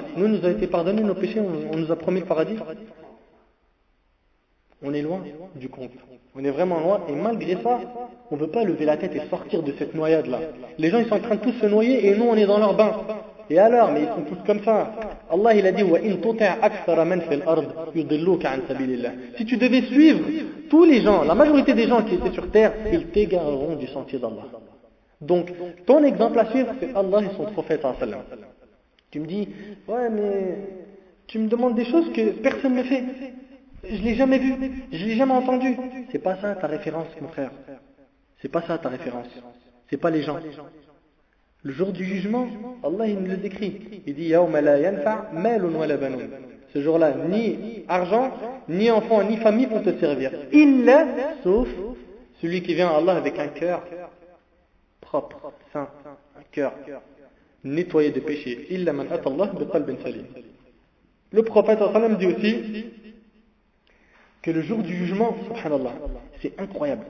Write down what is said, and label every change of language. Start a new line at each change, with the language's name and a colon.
French: Nous, nous a été pardonné nos péchés, on nous a promis le paradis. On est loin du compte. On est vraiment loin et malgré ça, on ne veut pas lever la tête et sortir de cette noyade-là. Les gens, ils sont en train de tous se noyer et nous, on est dans leur bain. Et alors, mais ils sont tous comme ça. Allah il a dit,
Arabic: وَإِن تُطِعْ أَكْثَرَ مَنْ فِي الْأَرْضِ يُضِلُّكَ عَنْ سَبِيلِ اللَّهِ.
French: Si tu devais suivre tous les gens, la majorité des gens qui étaient sur terre, ils t'égareront du sentier d'Allah. Donc, ton exemple à suivre, c'est Allah et son prophète. Tu me dis, ouais, mais tu me demandes des choses que personne ne fait. Je ne l'ai jamais vu, je ne l'ai jamais entendu. C'est pas ça ta référence, mon frère. C'est pas ça ta référence. C'est pas les gens. Le jour du jugement, Allah il nous le décrit. Il dit
Arabic: يَوْمَ لَا يَنْفَعْ مَالٌ وَلَا بَنُونَ.
French: Ce jour-là, ni argent, ni enfant, ni famille vont te servir. Illa, sauf celui qui vient à Allah avec un cœur propre, saint, un cœur nettoyé de péché.
Arabic: Illa man ata Allah biqalbin salim.
French: Le prophète sallam dit aussi que le jour du jugement, subhanallah, c'est incroyable.